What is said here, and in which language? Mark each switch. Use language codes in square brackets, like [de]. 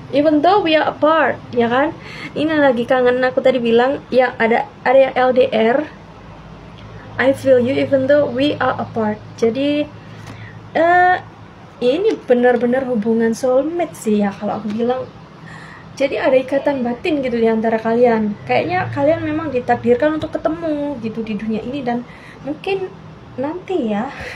[en] Even though we are apart, [id] ya kan? Ini lagi kangen, aku tadi bilang ya ada yang LDR. [en] I feel you even though we are apart. [id] Jadi ini benar-benar hubungan soulmate sih ya kalau aku bilang. Jadi ada ikatan batin gitu di antara kalian. Kayaknya kalian memang ditakdirkan untuk ketemu gitu di dunia ini dan mungkin nanti ya.